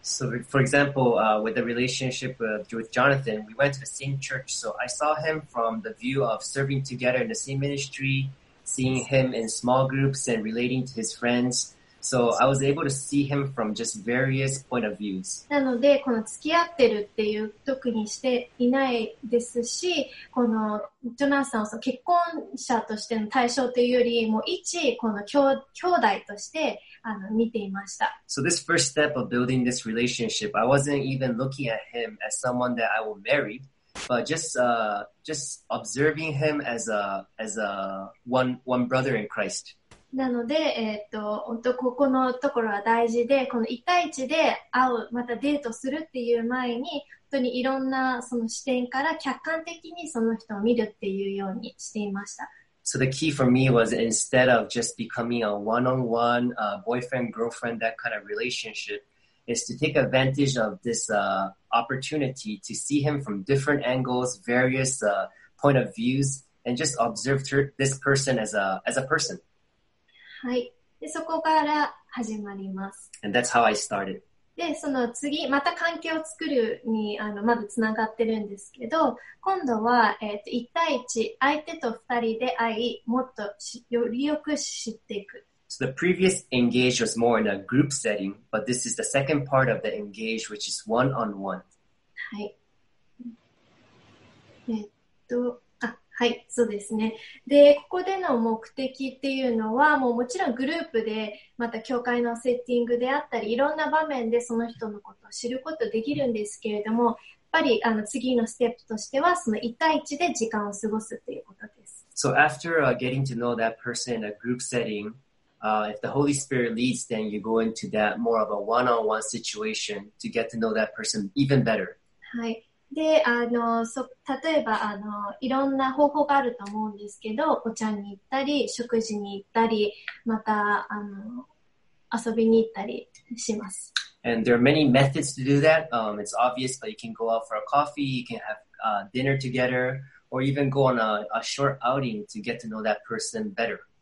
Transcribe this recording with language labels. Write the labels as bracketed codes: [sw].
[en] So, for example, with the relationship with Jonathan, we went to the same church, so I saw him from the view of serving together in the same ministry, seeing him in small groups and relating to his friends. So I was able to see him from just various point of views. [ja] なのでこの付き合ってるっていう特にしていないですし、このジョナサンを結婚者としての対象というよりも一この兄弟として見ていました。 [en] So this first step of building this relationship, I wasn't even looking at him as someone that I will marry, but just observing him as a one brother in Christ. [ja] なので、本当ここのところは大事で、この一対一で会う、またデートするっていう前に、本当にいろんなその視点から客観的にその人を見るっていうようにしていました。 [en] So the key for me was instead of just becoming a one-on-one, boyfriend, girlfriend, that kind of relationship, is to take advantage of this, opportunity to see him from different angles, various, point of views, and just observe this person as a person. [ja] はい。で、そこから始まります。 [en] And that's how I started. [ja] で、その次、また関係を作るに、まずつながってるんですけど、今度は、一対一、相手と二人で会い、もっとよりよく知っていく。 [en] So the previous engage was more in a group setting, but this is the second part of the engage, which is one-on-one. [ja] はい。はい、そうですね。で、ここでの目的っていうのは、もうもちろんグループで、また教会のセッティングであったり、いろんな場面でその人のことを知ることできるんですけれども、やっぱり次のステップとしては、その1対1で時間を過ごすっていうことです。 [en] So after getting to know that person in a group setting, if the Holy Spirit leads, then you go into that more of a one-on-one situation to get to know that person even better. [ja] はい。で、例えば、いろんな方法があると思うんですけど、お茶に行ったり、食事に行ったり、また、遊びに行ったりします。 [en] And there are many methods to do that. It's obvious, but you can go out for a coffee, you can have, dinner together, or even go on a short outing to get to know that person better.